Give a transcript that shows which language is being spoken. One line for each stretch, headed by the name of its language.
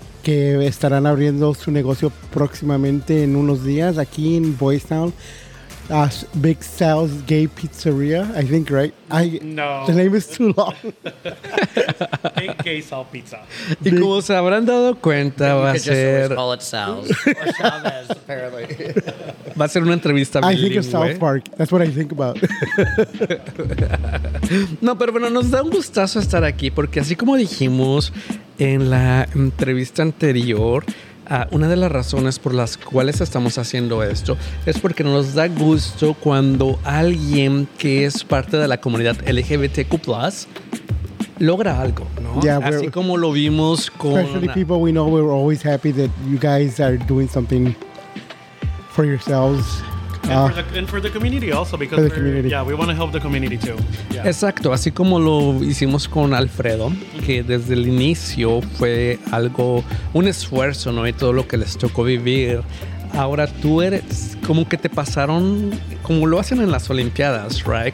Spanish: Que estarán abriendo su negocio próximamente en unos días aquí en Boystown.
English: Big Sal's Gay Pizzeria, I think, right? No. The name is too long. Big Gay Sal Pizza.
Spanish: Y como se habrán dado cuenta, va a ser...
English: You could just call it Sal's. Or Chavez, apparently.
Spanish: Va a ser una entrevista bilingüe.
English: I think of South Park. That's what I think about.
Spanish: No, pero bueno, nos da un gustazo estar aquí porque así como dijimos en la entrevista anterior, una de las razones por las cuales estamos haciendo esto es porque nos da gusto cuando alguien que es parte de la comunidad LGBTQ+ logra algo, ¿no?
English: Yeah,
Spanish: así como lo vimos con...
English: Especially people we know, we're always happy that you guys are doing something for yourselves. And for the community also, because yeah, we want to help the community too. Yeah.
Spanish: Exacto, así como lo hicimos con Alfredo, que desde el inicio fue algo, un esfuerzo, ¿no? Y todo lo que les tocó vivir. Ahora tú eres como que te pasaron, como lo hacen en las Olimpiadas,
English: right?